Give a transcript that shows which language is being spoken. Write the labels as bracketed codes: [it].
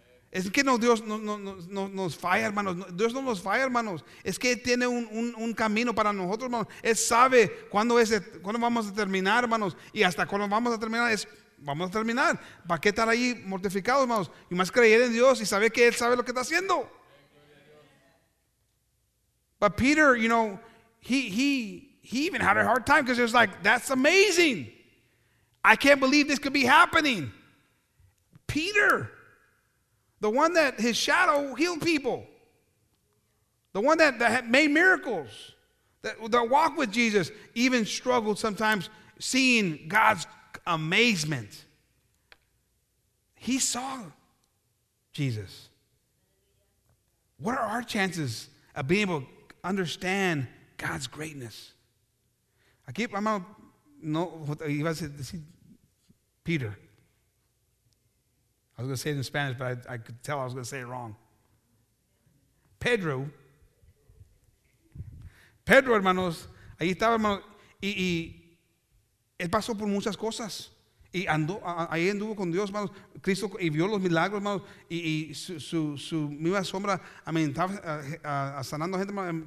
[es] Es que no Dios no nos falla, hermanos. Dios no nos falla, hermanos. Es que tiene un camino para nosotros, hermanos. Él sabe cuándo vamos a terminar, hermanos. Y hasta cuando vamos a terminar, vamos a terminar. ¿Para qué estar ahí mortificados, hermanos? Y más creer en Dios y saber que Él sabe lo que está haciendo. [en] But Peter, you know, he even had a hard time because it was like, that's amazing. I can't believe this could be happening. Peter, the one that his shadow healed people, the one that had made miracles, that walked with Jesus, even struggled sometimes seeing God's amazement. He saw Jesus. What are our chances of being able to understand God's greatness? [es] Aquí, hermano, no, iba a decir Peter. [en] I was going to say it in Spanish, but I could tell I was going to say it wrong. [es] Pedro, hermanos, ahí estaba, hermano, y él pasó por muchas cosas. Y ahí anduvo con Dios, hermanos. Cristo, y vio los milagros, hermanos, y su misma sombra, estaba sanando gente, hermanos.